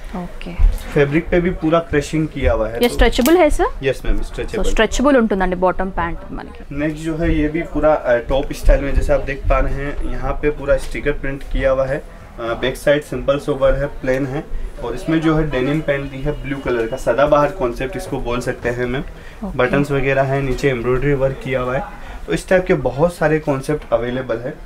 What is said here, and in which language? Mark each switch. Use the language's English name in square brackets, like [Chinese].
[Hindi] Okay, fabric पे भी पूरा क्रशिंग किया हुआ है, ये स्ट्रेचेबल है sir? Yes ma'am, stretchable, [Telugu] stretchable ఉంటుందండి బాటమ్ ప్యాంట్ మనకి। [Hindi] नेक्स्ट जो है ये भी पूरा टॉप स्टाइल में, जैसे आप देख पा रहे हैं यहाँ पे पूरा स्टिकर प्रिंट किया हुआ है, बैक साइड सिंपल सोबर है, प्लेन है। और इसमें जो है डेनिम पैंट दी है ब्लू कलर का, सदाबहार कॉन्सेप्ट इसको बोल सकते हैं मैम। बटन्स वगैरह है, नीचे एम्ब्रॉयडरी वर्क किया हुआ है, तो इस टाइप के बहुत सारे कॉन्सेप्ट अवेलेबल है।